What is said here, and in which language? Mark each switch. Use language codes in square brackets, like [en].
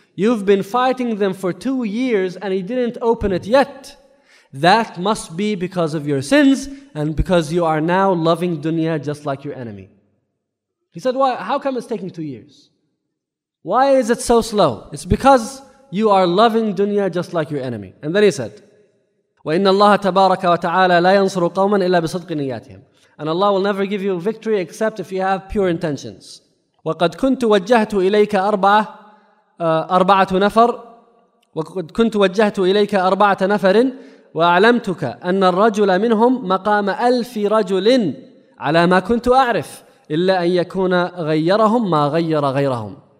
[en] You've been fighting them for 2 years and he didn't open it yet. That must be because of your sins and because you are now loving dunya just like your enemy. He said, why? How come it's taking 2 years? Why is it so slow? It's because you are loving dunya just like your enemy. And then he said, [ar] وَإِنَّ اللَّهَ تَبَارَكَ وَتَعَالَى لَا يَنْصُرُ قَوْمًا إِلَّا بِصَدْقِ نِيَّاتِهِمْ. [en] And Allah will never give you victory except if you have pure intentions. [ar] وَقَدْ كُنْتُ وَجَّهْتُ إِلَيْكَ أَرْبَعَةُ نَفَرٍ وَقَدْ كُنْتُ وَجَّهْتُ إِلَيْكَ أَرْبَعَةَ نَفَرٍ وَأَعْلَمْتُكَ أَنَّ الرَّجُلَ مِنْهُمْ مَقَامَ أَلْفِ رَجُلٍ عَلَى مَا كُنْتُ أَعْرِفُ إِلَّا أَنْ يَكُونَ غَيَّرَهُمْ مَا غَيَّرَ غَيْرَهُمْ.